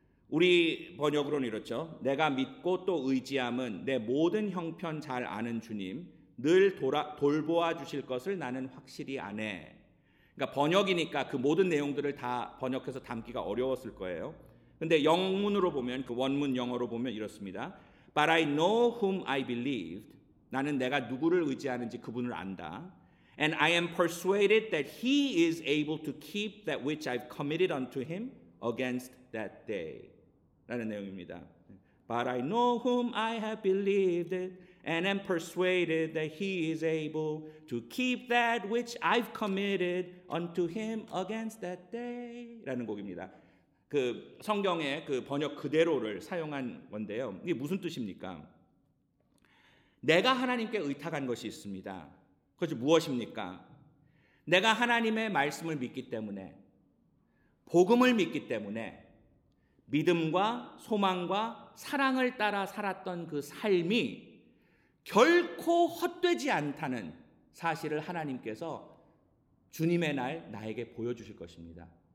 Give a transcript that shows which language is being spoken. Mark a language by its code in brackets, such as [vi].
[ko] 우리 번역으로는 이렇죠. 내가 믿고 또 의지함은 내 모든 형편 잘 아는 주님 늘 돌보아 주실 것을 나는 확실히 아네. 그러니까 번역이니까 그 모든 내용들을 다 번역해서 담기가 어려웠을 거예요. 근데 영문으로 보면 그 원문 영어로 보면 이렇습니다. [en] But I know whom I believed. [ko] 나는 내가 누구를 의지하는지 그분을 안다. [en] And I am persuaded that he is able to keep that which I've committed unto him against that day. [ko] 라는 내용입니다. [en] But I know whom I have believed it. And am persuaded that he is able to keep that which I've committed unto him against that day [ko] 라는 곡입니다. 그 성경의 그 번역 그대로를 사용한 건데요. 이게 무슨 뜻입니까? 내가 하나님께 의탁한 것이 있습니다. 그것이 무엇입니까? 내가 하나님의 말씀을 믿기 때문에 복음을 믿기 때문에 믿음과 소망과 사랑을 따라 살았던 그 삶이 결코 헛되지 않다는 사실을 하나님께서 주님의 날 나에게 보여주실 것입니다.